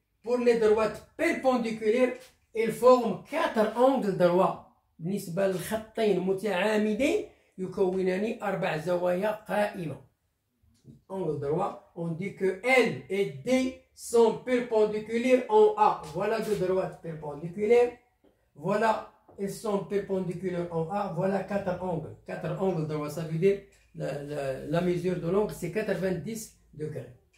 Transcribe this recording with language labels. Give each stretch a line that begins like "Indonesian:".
French: Pour les droites perpendiculaires, ils forment quatre angles droits.
Arabic: بالنسبة للخطين متعامدين يكونان أربع زوايا قائمة.
French: Angles droits, on dit que L et D sont perpendiculaires en A. Voilà deux droites perpendiculaires. Voilà, elles sont perpendiculaires en A. Voilà quatre angles. Quatre angles droits, ça veut dire la mesure de l'angle, c'est 90 degrés.